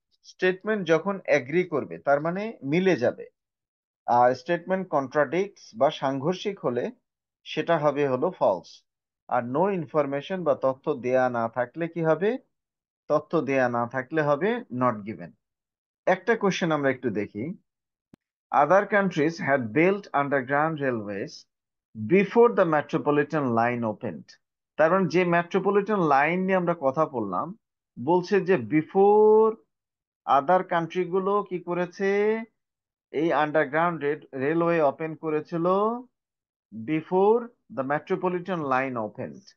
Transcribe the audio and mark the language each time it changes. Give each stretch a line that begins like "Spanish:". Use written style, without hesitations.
Bangla: Statement যখন agree করবে, তার মানে মিলে যাবে। আর স্টেটমেন্ট কন্ট্রাডিক্টস বা সাংঘর্ষিক হলে সেটা হবে হলো ফলস। আর নো ইনফরমেশন বা তথ্য দেয়া না থাকলে কি হবে? তথ্য দেয়া না থাকলে হবে নট গিভেন। একটা কোশ্চেন আমরা একটু দেখি,
English: Other countries had built underground railways before the metropolitan line opened.
Bangla: তার মানে যে মেট্রোপলিটন লাইন নিয়ে আমরা কথা বললাম, বলছে যে বিফোর আদার কান্ট্রি গুলো কি করেছে, এই আন্ডারগ্রাউন্ড রেলওয়ে ওপেন করেছিল before the metropolitan line open.